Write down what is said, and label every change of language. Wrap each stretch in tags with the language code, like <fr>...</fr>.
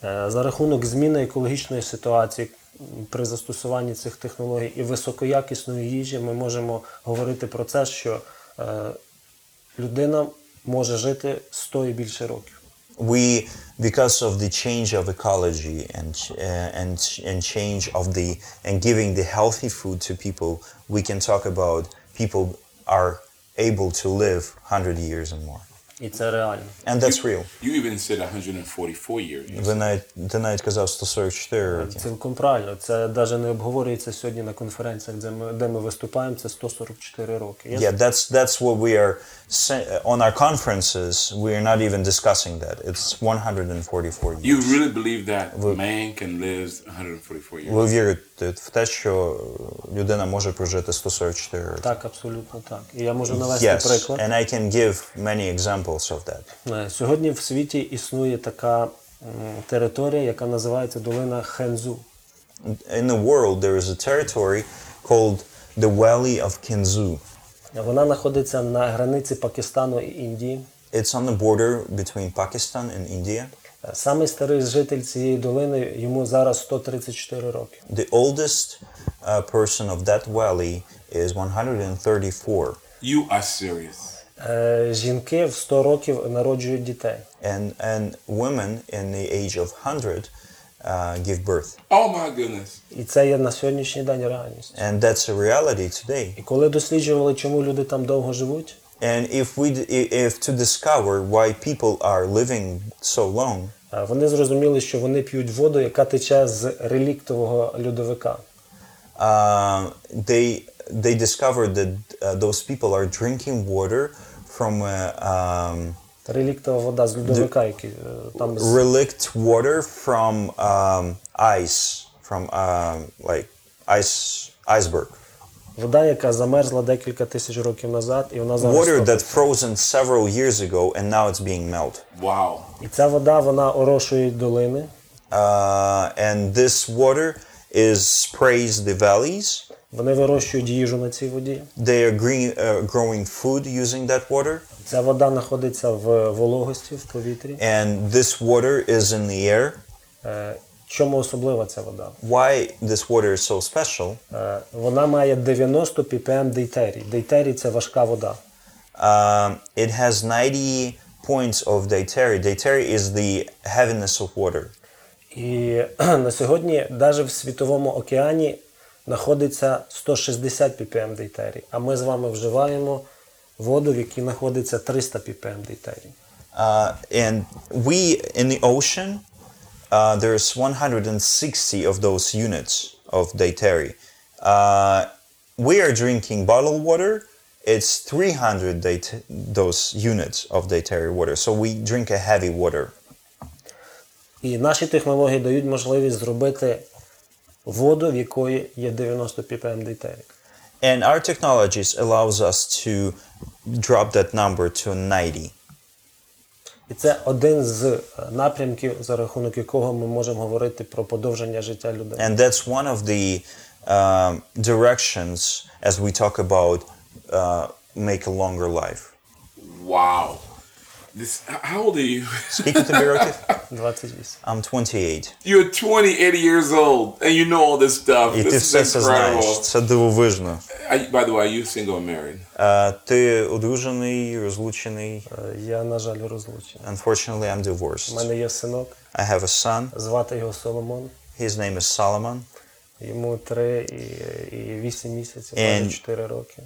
<uk>За рахунок зміни екологічної ситуації при застосуванні цих технологій і високоякісної їжі ми можемо говорити про це, що людина може жити 100 і більше років.</uk> <en>We, because of the change of ecology and change of the and giving the healthy food to people, we can talk about people are able to live 100 years and more. It's a reality. And that's you, real. You even said 144 years.</en> <uk>Винайт казав 144. Цілком правильно. Це даже не обговорюється сьогодні на конференціях, де ми виступаємо, це 144 роки.</uk> <en>Yeah, that's what we are on our conferences, we are not even discussing that. It's 144 years. You really believe that man can live 144 years?</en> <uk>Ви вірите в те, що людина може прожити 144 років? Так, абсолютно так. І я можу навести приклад.</uk> <en>Yes, and I can give many examples of that.</en> <uk>Сьогодні в світі існує така територія, яка називається Долина Хензу.</uk> <en>In the world, there is a territory called the Valley of Kinzu.</en> <uk>Вона знаходиться на границі Пакистану і Індії.</uk> <en>It's on the border between Pakistan and India.</en> <uk>Самий старий житель цієї долини, йому зараз 134 роки.</uk> <en>The oldest person of that valley is 134. You are serious.</en> <uk>Жінки в 100 років народжують дітей.</uk> <en>And women in the age of 100 give birth. Oh my goodness.</en> <uk>І це є на сьогоднішній день реальність.</uk> <en>And that's a reality today.</en> <uk>І коли досліджували, чому люди там довго живуть?</uk> <en>And if to discover why people are living so long.</en> <uk>Вони зрозуміли, що вони п'ють воду, яка тече з реліктового льодовика.</uk> <en>They discovered that those people are drinking water from</en> <uk>реліктова вода з льодовика, який там з</uk> <en>relict water from ice, from like ice iceberg.</en> <uk>Вода, яка замерзла декілька тисяч років назад, і вона зараз</uk> <en>water that frozen several years ago and now it's being melted. Wow.</en> <uk>І ця вода, вона орошує долини.</uk> <en>And this water is sprays the valleys.</en> <uk>Вони вирощують їжу на цій воді.</uk> <en>They are growing food using that water.</en> <uk>Ця вода знаходиться в вологості, в повітрі.</uk> <en>And this water is in the air.</en> <uk>Чому особлива ця вода?</uk> <en>Why this water is so special?</en> <uk>Вона має 90 ppm дейтерій. Дейтерій – це важка вода.</uk> <en>It has 90 points of дейтерій. Дейтерій is the heaviness of water.</en> <uk>І на сьогодні, навіть в світовому океані, знаходиться 160 ppm дейтерій. А ми з вами вживаємо воду, в якій знаходиться 300 ppm дейтерій.</uk> <en>And we in the ocean, there's 160 of those units of дейтерій. We are drinking bottled water, it's 300 those units of дейтерій water. So we drink a heavy water.</en> <uk>І наші технології дають можливість зробити воду, в якої є 90 ppm дейтерій.</uk> <en>And our technologies allows us to drop that number to 90.</en> <uk>І це один з напрямків, за рахунок якого ми можемо говорити про подовження життя людини.</uk> <en>And that's one of the directions as we talk about make a longer life. Wow. This, how old are you? Speaking to Miracle. 28. I'm 28. You're 28 years old and you know all this stuff.</en> <uk>І</uk> <en>this</en> <uk>ти все знаєш. Це дивовижно.</uk> <en>By the way, are you single or married?</en> <uk>Ти одружений, розлучений? Я, на жаль, розлучений.</uk> <en>Unfortunately, I'm divorced.</en> <uk>У мене є синок.</uk> <en>I have a son.</en> <uk>Звати його Соломон.</uk> <en>His name is Solomon.</en> <uk>Йому 3.8 місяців, майже 4 роки.</uk>